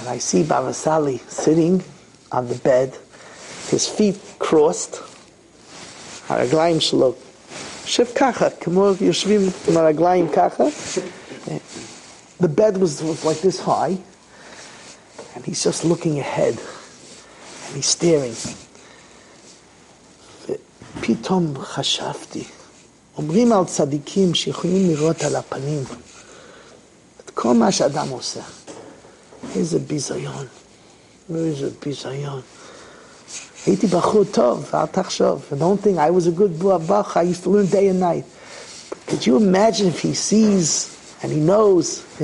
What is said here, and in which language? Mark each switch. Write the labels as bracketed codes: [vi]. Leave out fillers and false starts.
[en] And I see Baba Sali sitting on the bed, his feet crossed. [he] Haraglaim shlo. Shiv kacha, kamo yoshvim maraglaim kacha. [en] The bed was like this high. And he's just looking ahead. And he's staring. [he] פתאום חשבתי, אומרים על צדיקים שיכולים לראות על הפנים את כל מה שאדם עושה. איזה ביזיון, איזה ביזיון. הייתי בחור טוב, אל תחשוב. [en] I don't think I was a good boy, Bach. I used to learn day and night. But could you imagine if he sees and he knows?